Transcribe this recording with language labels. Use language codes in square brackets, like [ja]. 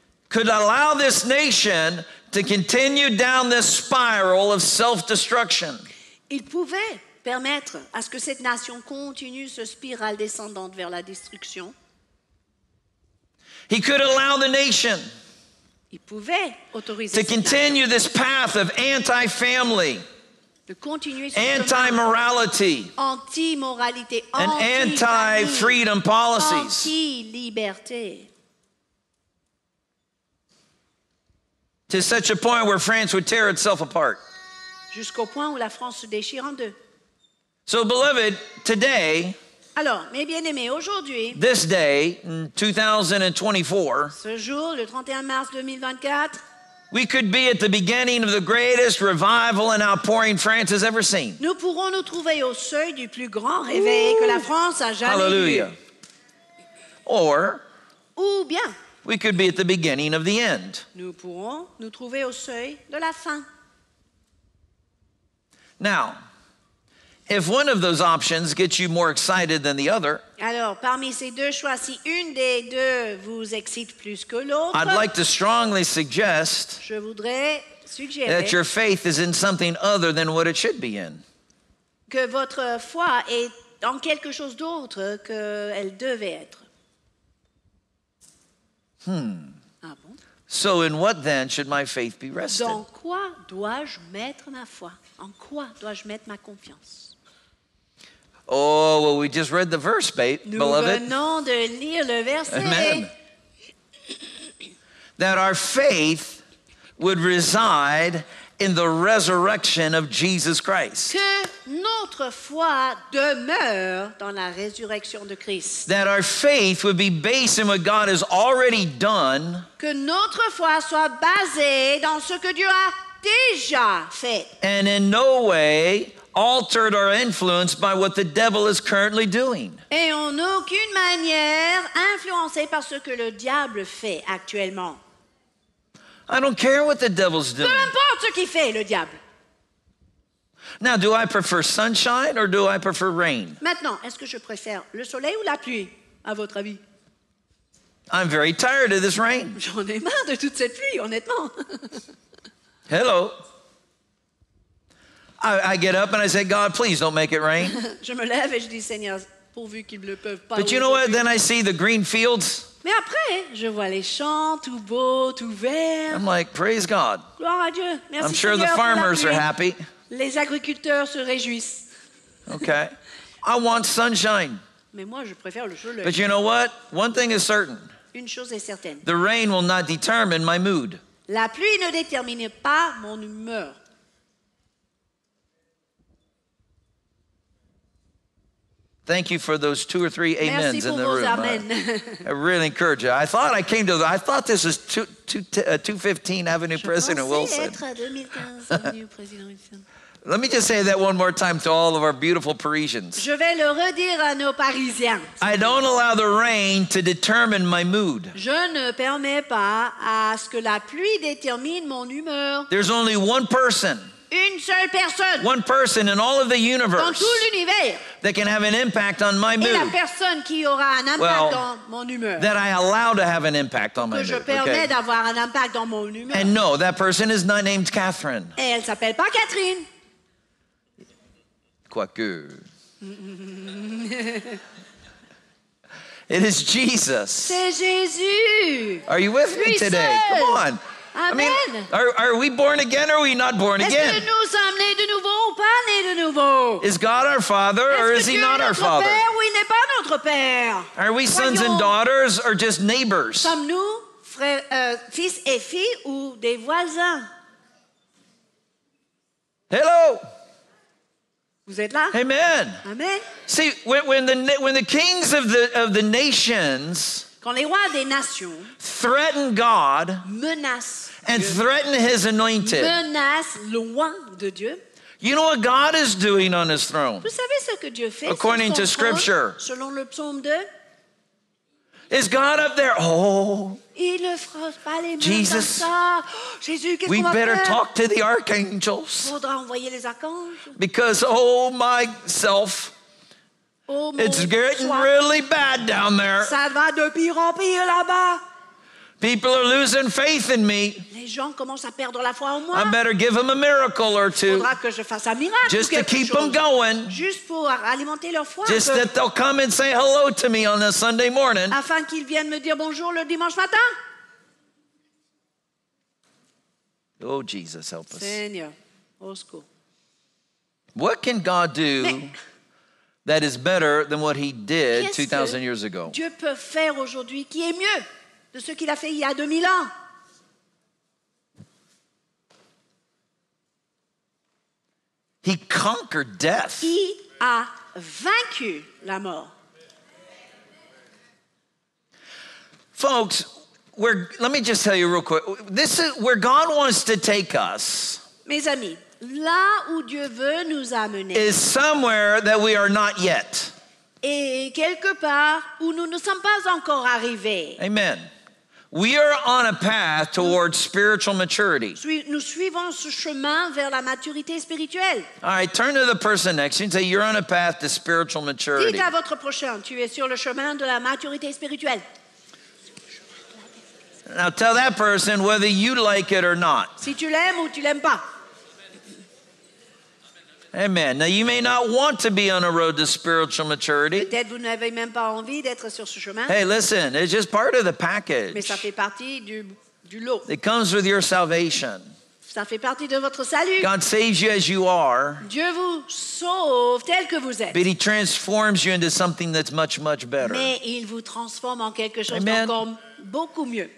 [en] Could allow this nation to continue down this spiral of self-destruction. [fr] Il pouvait permettre à ce que cette nation continue ce spirale descendante vers la destruction. [en] He could allow the nation [fr] il pouvait autoriser [en] to continue this path of anti-family, [fr] de continuer ce [en] anti-morality, [fr] anti-moralité, [en] and anti-freedom policies. [fr] Anti-liberté. [en] To such a point where France would tear itself apart. [fr] Jusqu'au point où la France se déchire en deux. [en] So, beloved, today. [fr] Alors, mes bien-aimés, aujourd'hui, [en] this day, in 2024, [fr] ce jour, le 31 mars 2024, [en] We could be at the beginning of the greatest revival and outpouring France has ever seen. [fr] Nous pourrons nous trouver au seuil du plus grand réveil que la France a jamais Hallelujah. Eu. [en] Or, [fr] ou bien, [en] we could be at the beginning of the end. [fr] Nous pourrons nous trouver au seuil de la fin. [en] Now, if one of those options gets you more excited than the other, [fr] alors, parmi ces deux choix, si une des deux vous excite plus que l'autre, [en] I'd like to strongly suggest [fr] je voudrais suggérer [en] that your faith is in something other than what it should be in. [fr] Que votre foi est en quelque chose d'autre qu'elle devait être. Hmm. Ah bon? [en] So in what then should my faith be rested? [fr] Dans quoi dois-je mettre ma foi? En quoi dois-je mettre ma confiance? [en] Oh, well, we just read the verse, babe, [fr] Nous [en] beloved. [fr] Nous venons de lire le verset. Amen. [en] That our faith would reside in the resurrection of Jesus Christ. [fr] Que notre foi demeure dans la résurrection de Christ. [en] That our faith would be based in what God has already done. [fr] Que notre foi soit basée dans ce que Dieu a déjà fait. [en] And in no way altered or influenced by what the devil is currently doing. [fr] Et en aucune manière influencé par ce que le diable fait actuellement. [en] I don't care what the devil's doing. [fr] Peu importe ce qu'il fait, le diable. [en] Now, do I prefer sunshine or do I prefer rain? [fr] Maintenant, est-ce que je préfère le soleil ou la pluie, à votre avis? [en] I'm very tired of this rain. [fr] J'en ai marre de toute cette pluie, honnêtement. [en] Hello. I get up and I say, God, please don't make it rain. [fr] Je me lève et je dis, Seigneur, pourvu qu'il ne pleuve pas. [en] But you know what? Then I see the green fields. [fr] Mais après, je vois les champs tout beaux, tout verts. [en] I'm like, praise God. [fr] Gloire à Dieu. Merci [en] I'm sure [fr] Seigneur, [en] the farmers are happy. [fr] Les agriculteurs se réjouissent. [en] Okay. I want sunshine. [fr] Mais moi, je préfère le soleil. [en] But you know what? One thing is certain. [fr] Une chose est certaine. [en] The rain will not determine my mood. [fr] La pluie ne détermine pas mon humeur. [en] Thank you for those two or three amens [fr] Merci [en] in the room. Amen. I really encourage you. I thought this was 215 Avenue [fr] Je [en] President [fr] pensais [en] Wilson. [fr] Être 2015 Avenue President. [en] Let me just say that one more time to all of our beautiful Parisians. [fr] Je vais le redire à nos Parisiens. [en] I don't allow the rain to determine my mood. [fr] Je ne permets pas à ce que la pluie détermine mon humeur. [en] There's only one person. [fr] Une seule personne. [en] One person in all of the universe. [fr] Dans tout l'univers. [en] That can have an impact on my mood. [fr] Et la personne qui aura un impact [en] well, [fr] dans mon humeur. [en] That I allow to have an impact on my mood. [fr] Que je permets [en] okay. [fr] d'avoir un impact dans mon humeur. [en] And no, that person is not named Kathryn. [fr] Et elle s'appelle pas Catherine. Quoique. [en] It is Jesus. [fr] C'est Jésus. [en] Are you with [fr] Lui [en] me today? [fr] Seul. [en] Come on. Amen. I mean, are we born again or are we not born again? [fr] Est-ce que nous sommes nés de nouveau ou pas nés de nouveau? [en] Is God our father or is he not our father? [fr] Est-ce que Dieu est notre père ou il n'est pas notre père? [en] Are we sons and daughters or just neighbors? [fr] Sommes-nous fils et filles ou des voisins? [en] Hello. [fr] Vous êtes là? Amen. Amen. [en] See, when the kings of the nations [fr] Quand les rois des nations [en] threaten God [fr] menace [en] and [fr] Dieu, [en] threaten his anointed, [fr] menace loin de Dieu, [en] you know what God is doing on his throne? [fr] Vous savez ce que Dieu fait [en] according [fr] sur son [en] to scripture. [fr] Trône, selon le psaume 2? [en] Is God up there? Oh, [fr] Il ne frotte pas les mains [en] Jesus, [fr] comme ça. Oh, Jésus, [en] we [fr] va [en] better [fr] faire? [en] Talk to the archangels. [fr] Faudra envoyer les archanges. [en] Because, oh, myself. It's getting really bad down there. [fr] Ça va de pire en pire là-bas. [en] People are losing faith in me. [fr] Les gens commencent à perdre la foi en moi. [en] I better give them a miracle or two. [fr] Faudra que je fasse un miracle. [en] Just to keep them going. [fr] Juste pour alimenter leur foi. [en] Just that they'll come and say hello to me on a Sunday morning. [fr] Afin qu'ils viennent me dire bonjour le dimanche matin. [en] Oh, Jesus, help us. [fr] Seigneur, au secours. [en] What can God do? That is better than what he did 2,000 years ago. [fr] Dieu peut faire aujourd'hui qui est mieux de ce qu'il a fait il y a 2000 ans. [en] He conquered death. [fr] Il a vaincu la mort. [en] Folks, Let me just tell you real quick. This is where God wants to take us. [fr] Mes amis, là où Dieu veut nous amener. [en] Is somewhere that we are not yet. [fr] Et quelque part où nous ne sommes pas encore arrivés. [en] Amen. We are on a path towards spiritual maturity. [fr] Nous suivons ce chemin vers la maturité spirituelle. [en] All right, turn to the person next to you and say, you're on a path to spiritual maturity. [fr] Dites à votre prochain, tu es sur le chemin de la maturité spirituelle. [en] Now tell that person whether you like it or not. [fr] Si tu l'aimes ou tu l'aimes pas. Amen. [en] Now you may not want to be on a road to spiritual maturity. [fr] Peut-être vous n'avez même pas envie d'être sur ce chemin. [en] Hey, listen, it's just part of the package. [fr] Mais ça fait partie du lot. [en] It comes with your salvation. [fr] Ça fait partie de votre salut. [en] God saves you as you are. [fr] Dieu vous sauve tel que vous êtes. [en] But he transforms you into something that's much, much better. [fr] Mais il vous transforme en quelque chose d'encore beaucoup mieux.